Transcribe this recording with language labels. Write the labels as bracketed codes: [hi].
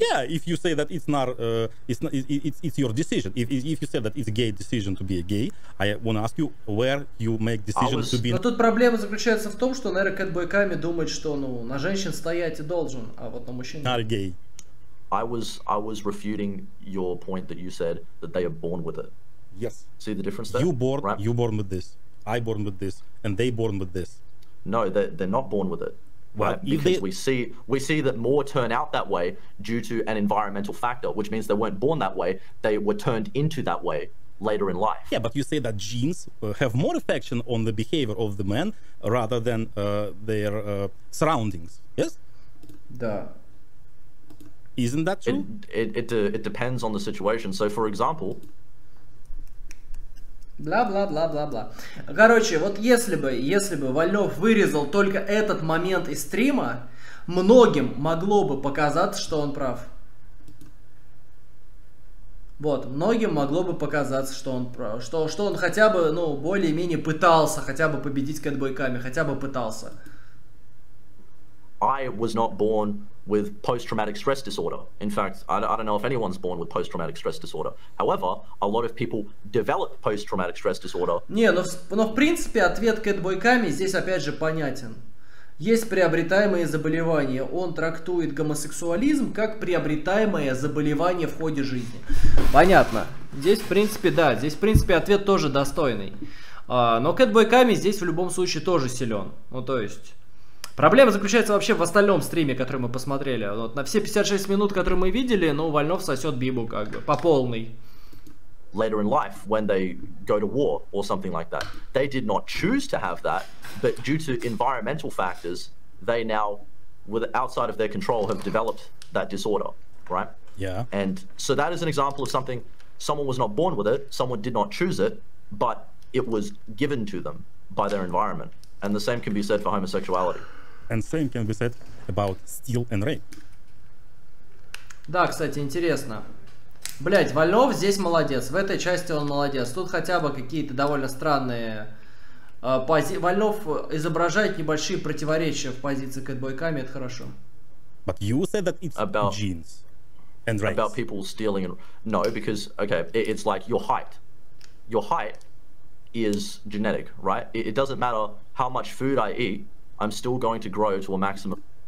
[en] Yeah, if you say that it's your decision. If you say that it's a gay decision to be a gay, I want to ask you where you make decision to be. [ru] Но тут проблема заключается в том, что наверное, Кэтбой Ками думает, что ну на женщин стоять и должен, а вот на мужчин. [en] Not gay. I was refuting your point that you said that they are born with it. Yes. See the difference there. You born with this. I born with this, and they born with this. No, they're not born with it. Well, right, because we see that more turn out that way due to an environmental factor, which means they weren't born that way, they were turned into that way later in life. Yeah, but you say that genes have more effect on the behavior of the man rather than their surroundings, yes? [ru] Да. [en] Isn't that true? It depends on the situation. So, for example... Бла-бла-бла-бла-бла. [ru] Короче, вот если бы Вальнов вырезал только этот момент из стрима, многим могло бы показаться, что он прав. Вот, многим могло бы показаться, что он прав. Что он хотя бы, ну, более-менее пытался хотя бы победить Кэтбой Ками, хотя бы пытался. [en] I was not born with post-traumatic stress disorder. In fact, I don't know if anyone's born with post-traumatic stress disorder. However, a lot of people develop post-traumatic stress disorder. [ru] Не, но в принципе ответ Кэтбой Ками здесь опять же понятен. Есть приобретаемые заболевания. Он трактует гомосексуализм как приобретаемое заболевание в ходе жизни. Понятно. Здесь в принципе да, здесь в принципе ответ тоже достойный. Но Кэтбой Ками здесь в любом случае тоже силен. Ну то есть... Проблема заключается вообще в остальном стриме, который мы посмотрели. Вот на все 56 минут, которые мы видели, ну, Вальнов сосет бибу, как бы, по полной. [en] Later in life, when they go to war or something like that, they did not choose to have that, but due to environmental factors, they now, with outside of their control, have developed that disorder, right? Yeah. And so that is an example of something, someone was not born with it, someone did not choose it, but it was given to them by their environment. And the same can be said for homosexuality. And same can be said about steel and rape. [ru] Да, кстати, интересно. Блять, Вальнов здесь молодец. В этой части он молодец. Тут хотя бы какие-то довольно странные позиции. Вальнов изображает небольшие противоречия в позиции Кэтбой Ками, это хорошо. [en] But you said that it's about genes and race. About people stealing and... No, because, okay, it's like your height. Your height is genetic, right? It doesn't matter how much food I eat. I'm still going to grow to a maximum.